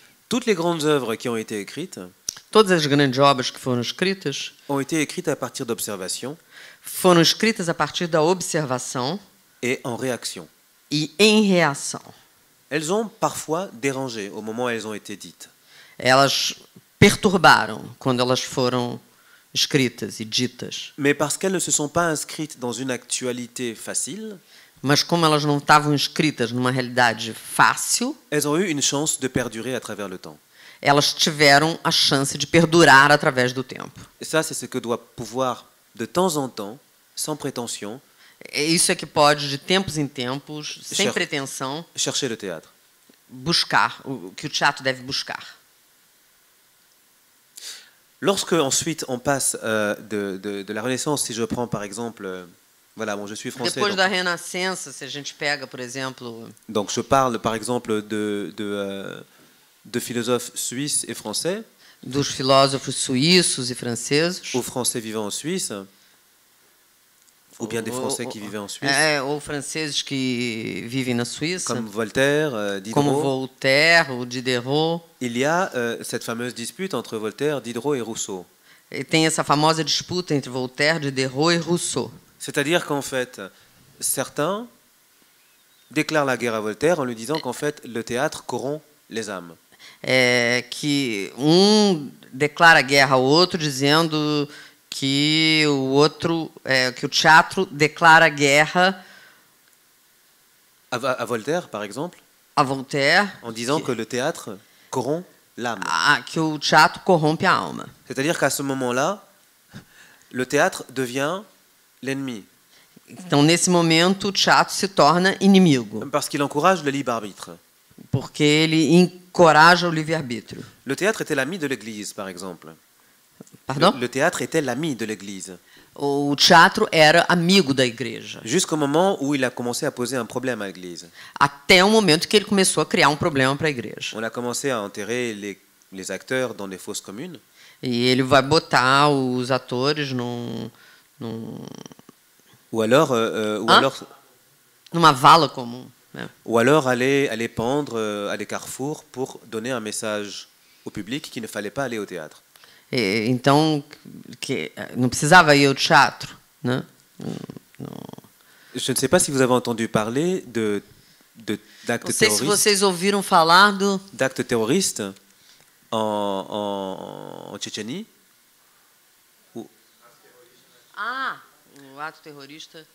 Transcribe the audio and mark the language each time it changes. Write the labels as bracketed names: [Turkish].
[French] Toutes les grandes œuvres qui ont été écrites, [Portuguese] todas as grandes obras que foram escritas, [French] ont été écrites à partir d'observation, [Portuguese] foram escritas a partir da observação [French] et en réaction. [Portuguese] E em reação. [French] Elles ont parfois dérangé au moment où elles ont été dites. [Portuguese] Elas perturbaram quando elas foram escritas e ditas. [French] Mais parce qu'elles ne se sont pas inscrites dans une actualité facile. [Portuguese] Mas como elas não estavam inscritas numa realidade fácil, [French] elles ont eu une chance de perdurer à travers le temps. [Portuguese] Elas tiveram a chance de perdurar através do tempo. [French] Ça, c'est ce que doit pouvoir de temps en temps, sans prétention. [Portuguese] Isso é que pode de tempos em tempos, sem pretensão, [French] chercher le théâtre. [Portuguese] Buscar o que o teatro deve buscar. [French] Lorsque ensuite on passe de la Renaissance, si je prends par exemple voilà, bon, je suis français. [Portuguese] Depois da Renascença, se a gente pega, por exemplo, [French] donc je parle par exemple de philosophes suisses et français. [Portuguese] Dos filósofos suíços e franceses. [French] Ou français vivant en Suisse. Ou bien des français qui vivaient en Suisse. [Portuguese] Ou franceses que vivem na Suíça. [French] Comme Voltaire, Diderot. [Portuguese] Como Voltaire ou Diderot. [French] Il y a cette fameuse dispute entre Voltaire, Diderot et Rousseau. [Portuguese] E tem essa famosa disputa entre Voltaire, Diderot e Rousseau. [French] C'est-à-dire qu'en fait, certains déclarent la guerre à Voltaire en lui disant qu'en fait, le théâtre corrompt les âmes. [Portuguese] É que um declara guerra ao outro dizendo que o outro que o teatro declara guerra a Voltaire, por exemplo, a Voltaire, [French] en disant que le théâtre corrompt l'âme. [Portuguese] Que o teatro corrompe a alma. [French] C'est-à-dire qu'à ce moment-là, le théâtre devient l'ennemi. [Portuguese] Então nesse momento o teatro se torna inimigo. [French] Parce qu'il encourage le libre arbitre. [Portuguese] Porque ele encoraja o livre-arbítrio. [French] Le théâtre était l'ami de l'église, par exemple. Pardon? Le théâtre était l'ami de l'église. [Portuguese] O teatro era amigo da igreja. [French] Jusqu'au moment où il a commencé à poser un problème à l'église. [Portuguese] Até o momento que ele começou a criar um problema para a igreja. [French] On a commencé à enterrer les acteurs dans des fosses communes. [Portuguese] E ele vai botar os atores num numa vala comum. [French] Ou alors aller pendre à des carrefours pour donner un message au public qu'il ne fallait pas aller au théâtre. [Portuguese] Então, que não precisava ir ao teatro, né? [French] Je ne sais pas si vous avez entendu parler de d'actes terroristes. [Portuguese] Não sei se vocês ouviram falar do [French] d'actes terroristes en Tchétchénie. [Portuguese] O ato terrorista.